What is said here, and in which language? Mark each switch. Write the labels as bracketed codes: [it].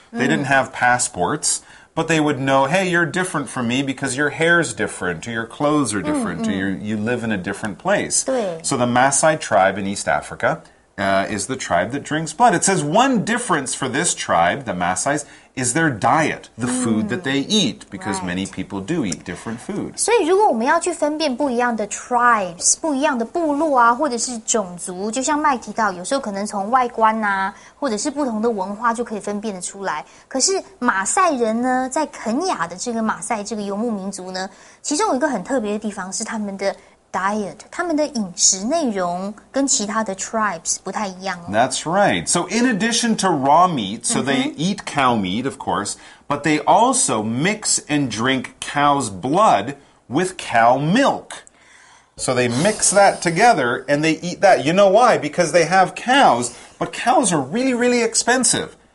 [en] They didn't have passports. But they would know, hey, you're different from me because your hair's different, or your clothes are different, or you live in a different place. So the Maasai tribe in East Africa, is the tribe that drinks blood. It says one difference for this tribe, the Maasai's, is their diet, the food that they eat, because many people do eat different food. [zh] 所以如果我们要去分辨不一样的 tribes, 不一样的部落啊，或者是种族，就像麦提到，有时候可能从外观啊，或者是不同的文化就可以分辨得出来。可是马赛人呢，在肯亚的这个马赛这个游牧民族呢，其中有一个很特别的地方是他们的diet, 他们的饮食内容跟其他的 tribes 不太一样哦。 [en] That's right. So in addition to raw meat, so they eat cow meat, of course, but they also mix and drink cow's blood with cow milk. So they mix that together and they eat that. You know why? Because they have cows, but cows are really, really expensive.